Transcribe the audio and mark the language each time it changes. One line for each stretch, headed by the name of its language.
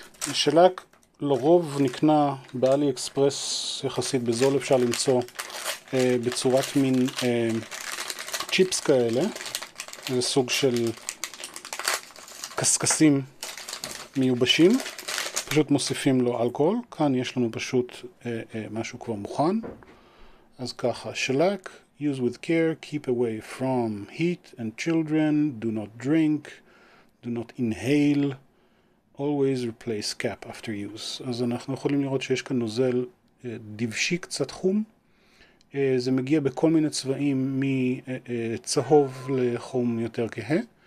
Hebrew: השלק לרוב נקנה באלי אקספרס יחסית בזול, אפשר למצוא בצורת מין צ'יפס כאלה. זה סוג של קסקסים מיובשים, פשוט מוסיפים לו אלכוהול. כאן יש לנו פשוט משהו כבר מוכן. אז ככה,
English: שלק, use with care, keep away from heat and children, do not drink, do not inhale, always replace cap after use.
Hebrew: אז אנחנו יכולים לראות שיש כאן נוזל דבשי קצת חום. זה מגיע בכל מיני צבעים, מצהוב לחום יותר כהה.